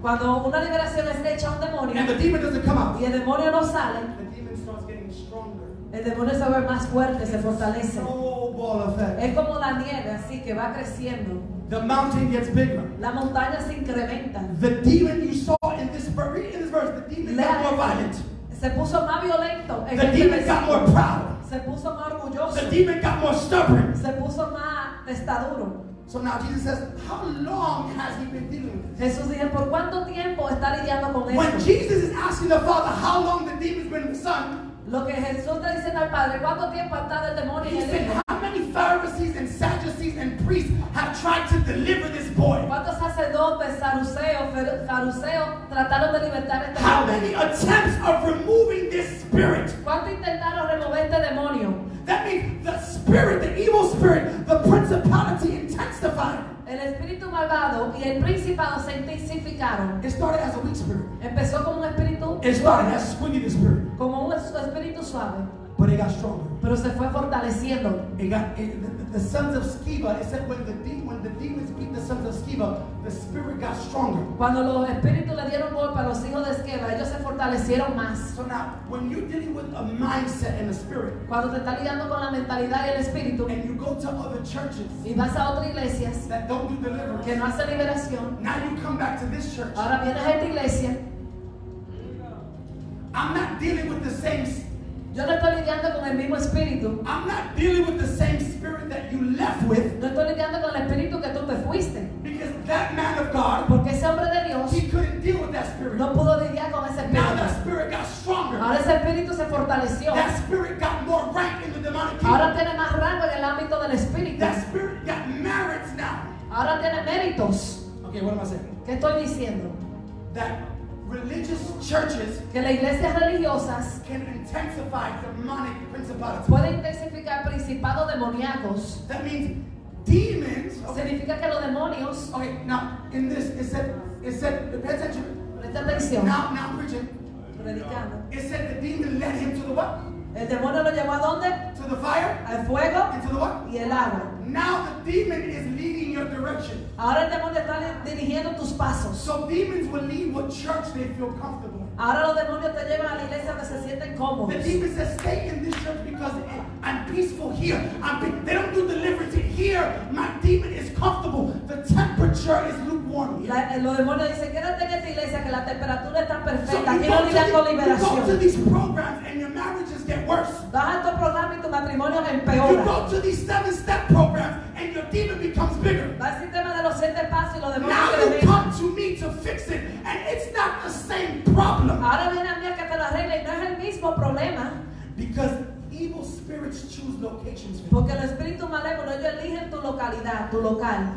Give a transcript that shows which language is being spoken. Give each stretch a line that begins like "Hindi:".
Spanish: cuando una liberación es hecha a un demonio,
English: and the demon doesn't come out,
Spanish: y el demonio no sale,
English: the demon starts getting stronger.
Spanish: El demonio se vuelve más fuerte, se fortalece.
English: Snowball effect.
Spanish: Es como la nieve, así que va creciendo.
English: The mountain gets bigger.
Spanish: La montaña se incrementa.
English: The demon you saw in this verse, read in this verse, the demon got more violent.
Spanish: Se puso más violento.
English: The demon got more proud.
Spanish: Se puso más orgulloso.
English: The demon got more stubborn.
Spanish: Se puso más testaduro.
English: So now Jesus says, how long has he been dealing with this?
Spanish: Jesús dice, ¿por cuánto tiempo está lidiando con esto?
English: When Jesus is asking the Father how long the demon's been with the Son,
Spanish: lo que Jesús está diciendo al Padre, ¿cuánto tiempo ha estado el demonio?
English: He said, how many Pharisees and Sadducees and priests have tried to deliver this boy?
Spanish: ¿Cuántos sacerdotes, fariseos trataron de libertar este
English: How many attempts of removing this spirit?
Spanish: ¿Cuánto intentaron remover este demonio?
English: That means the spirit, the evil spirit, the principality intensified.
Spanish: El espíritu malvado y el principado se intensificaron.
English: It started as a weak spirit.
Spanish: Empezó como un espíritu.
English: It started as a swingy spirit.
Spanish: Como un espíritu suave.
English: But it got stronger.
Spanish: Pero se fue fortaleciendo.
English: It got the sons of Sceva. It said when the demons beat the sons of Sceva, the spirit got stronger.
Spanish: Cuando los espíritus le dieron golpe a los hijos de Sceva, ellos se fortalecieron más.
English: So now, when you're dealing with a mindset and a spirit,
Spanish: cuando te está lidiando con la mentalidad y el espíritu,
English: and you go to other churches,
Spanish: y vas a otras iglesias,
English: that don't do deliverance,
Spanish: que no hace liberación,
English: now you come back to this church.
Spanish: Ahora vienes a esta iglesia.
English: I'm not dealing with the same.
Spanish: Yo no estoy lidiando con el mismo espíritu.
English: I'm not dealing with the same spirit that you left with.
Spanish: No estoy lidiando con el espíritu que tú te fuiste.
English: Because that man of God,
Spanish: porque ese hombre de Dios,
English: he couldn't deal with that spirit.
Spanish: No pudo lidiar con ese espíritu.
English: Now that spirit got stronger.
Spanish: Ahora ese espíritu se fortaleció.
English: That spirit got more rank in the demonic kingdom.
Spanish: Ahora tiene más rango en el ámbito del espíritu.
English: That spirit got merits now.
Spanish: Ahora tiene méritos.
English: Okay, what am I saying?
Spanish: ¿Qué estoy diciendo?
English: That religious churches,
Spanish: que las iglesias religiosas,
English: can intensify demonic principalities.
Spanish: Puede intensificar principados demoníacos.
English: That means demons.
Spanish: Okay. Significa que los demonios.
English: Okay, now in this it said, pay attention.
Spanish: Presta atención.
English: Now preaching.
Spanish: Predicando.
English: It said the demon led him to the what?
Spanish: El demonio lo llevó a dónde?
English: To the fire.
Spanish: Al fuego.
English: Into the what?
Spanish: Y el agua.
English: Now the demon is leading your direction.
Spanish: Ahora el demonio está dirigiendo tus pasos.
English: So demons will lead what church they feel comfortable.
Spanish: Ahora los demonios te llevan a la iglesia donde se sienten cómodos.
English: The demon says, stay in this church because I'm peaceful here. They don't do deliverance here. My demon is comfortable. The temperature is lukewarm here.
Spanish: Los demonios dicen, quédate en esta iglesia que la temperatura está perfecta. Aquí no lidian con liberación.
English: You go to these programs and your marriages get worse.
Spanish: Vas a tu programa y tu matrimonio empeora.
English: You go to these 7-step programs and your demon becomes bigger.
Spanish: Vas al sistema de los 7 pasos y los demonios crecen.
English: Now you come to me to fix it and it's not the same problem.
Spanish: Ahora viene a mí a que te lo arregle y no es el mismo problema.
English: Because evil spirits choose locations.
Spanish: Porque el espíritu malévolo, ellos eligen tu localidad, tu local.